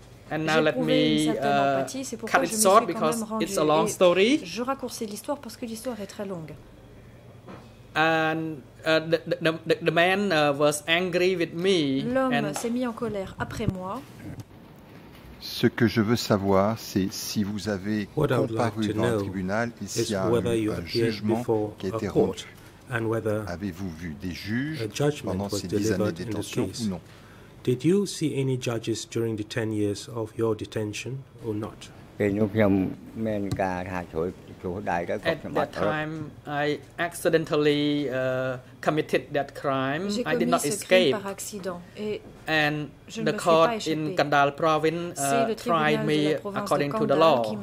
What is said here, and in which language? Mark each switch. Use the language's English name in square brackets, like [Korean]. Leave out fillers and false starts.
[English] And now let me cut it short because it's a long story. [French] Je raccourcis l'histoire parce que l'histoire est très longue. [English] And the man was angry with me. [French] L'homme [English] and [French] s'est mis en colère après moi. Ce que je veux savoir, c'est si vous avez comparu devant le tribunal, et s'il y a un jugement qui a été rendu. Avez-vous vu des juges pendant ces 10 années de détention ou non? [English] Did you see any judges during the 10 years of your detention or not? At that time, I accidentally committed that crime. I did not escape. And the court in Kandal province tried me according to the law.